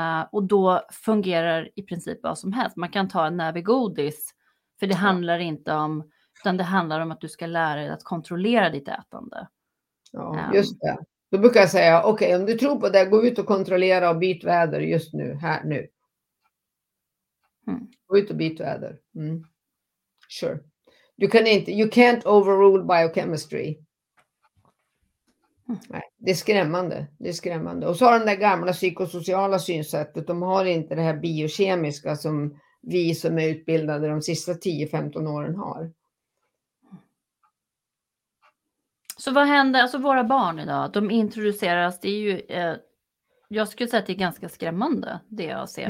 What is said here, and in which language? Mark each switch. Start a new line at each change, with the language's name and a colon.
Swedish: Och då fungerar i princip vad som helst. Man kan ta en näve godis, för det handlar inte om, utan det handlar om att du ska lära dig att kontrollera ditt ätande. Ja, just det. Då brukar jag säga, okej, om du tror på det, gå ut och kontrollera och byt väder just nu, här, nu. Mm. Gå ut och byt väder. Mm. Sure. Du kan inte,
English: you can't overrule biochemistry.
Swedish: Mm. Nej, det är skrämmande. Det är skrämmande. Och så har de där gamla psykosociala synsättet, de har inte det här biokemiska som vi som är utbildade de sista 10-15 åren har. Så vad händer, alltså våra barn idag, de introduceras, det är ju, jag skulle säga att det är ganska skrämmande det jag ser.